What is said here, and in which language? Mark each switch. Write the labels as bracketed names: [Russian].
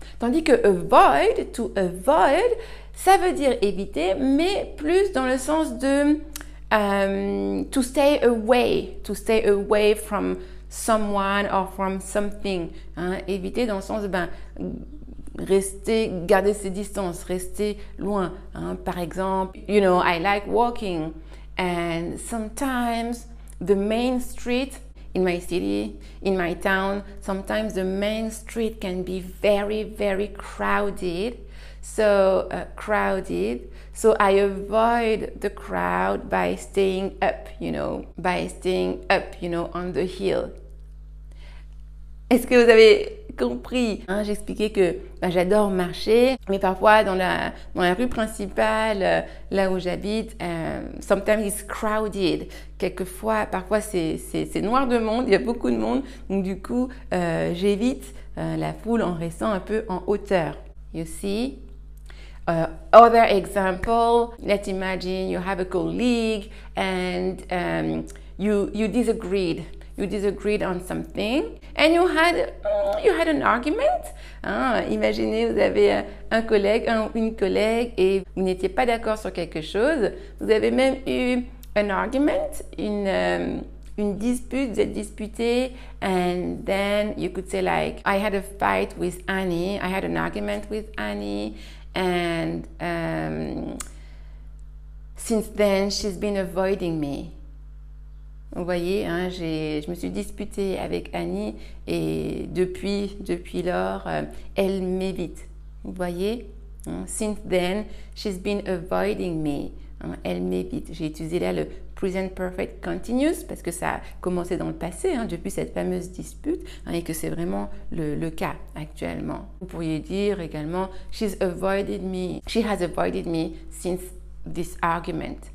[French] Tandis que avoid, to avoid, ça veut dire éviter, mais plus dans le sens de [English] to stay away from someone or from something. [French] Hein, éviter dans le sens de ben, rester, garder ses distances, rester loin. Hein, par exemple, [English] you know, I like walking and sometimes the main street in my city, in my town, sometimes the main street can be very, very crowded. So I avoid the crowd by staying up, you know, on the hill. [French] Est-ce que vous avez compris, hein? J'expliquais que ben, j'adore marcher, mais parfois dans la rue principale, là où j'habite, [English] sometimes it's crowded. [French] Quelquefois, parfois c'est noir de monde, il y a beaucoup de monde. Donc du coup, j'évite la foule en restant un peu en hauteur. [English] You see? Other example, let's imagine you have a colleague and you disagreed on something and you had an argument. [French] Hein, imaginez, vous avez une collègue et vous n'étiez pas d'accord sur quelque chose. Vous avez même eu [English] an argument, [French] une dispute, vous êtes disputé, [English] and then you could say like, I had a fight with Annie, I had an argument with Annie. And since then, she's been avoiding me. [French] Vous voyez, hein, je me suis disputée avec Annie et depuis lors, elle m'évite. Vous voyez, hein, [English] since then, she's been avoiding me. [French] Hein, elle m'évite. J'ai utilisé là le present perfect continuous parce que ça a commencé dans le passé, hein, depuis cette fameuse dispute, hein, et que c'est vraiment le cas actuellement. Vous pourriez dire également, [English] she has avoided me since this argument.